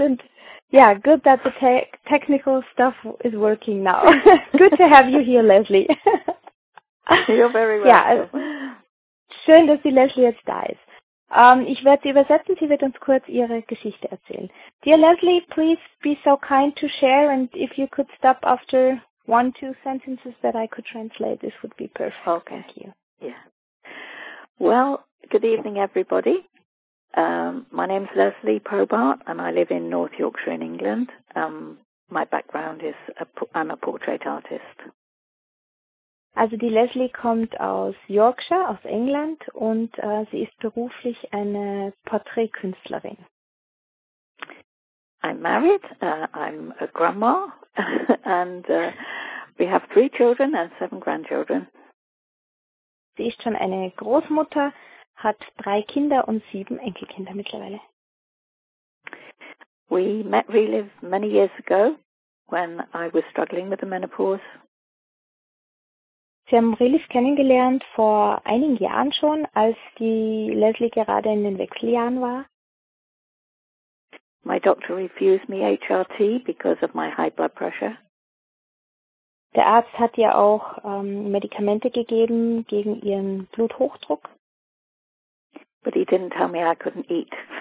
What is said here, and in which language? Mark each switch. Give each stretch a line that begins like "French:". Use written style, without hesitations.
English: And yeah, good that the technical stuff is working now. Good to have you here, Leslie. You're very welcome. Yeah.
German: Schön, dass die Leslie jetzt da ist. Ich werde sie übersetzen. Sie wird uns kurz ihre Geschichte erzählen.
English: Dear Leslie, please be so kind to share. And if you could stop after 1-2 sentences that I could translate, this would be perfect. Okay. Thank you. Yeah. Well, good evening, everybody. My name is Leslie Probert, and I live in North Yorkshire in England. My background is I'm a portrait artist.
German: Also die Leslie kommt aus Yorkshire, aus England, und sie ist beruflich eine Porträtkünstlerin.
English: I'm married. I'm a grandma, and we have 3 children and 7 grandchildren.
German: Sie ist schon eine Großmutter. Hat 3 Kinder und 7 Enkelkinder mittlerweile.
English: We met really many years ago when I was struggling with the menopause.
German: Sie haben Relief kennengelernt vor einigen Jahren schon, als die Leslie gerade in den Wechseljahren war.
English: My doctor refused me HRT because of my high blood pressure.
German: Der Arzt hat ihr auch Medikamente gegeben gegen ihren Bluthochdruck.
English: But he didn't tell me I couldn't eat.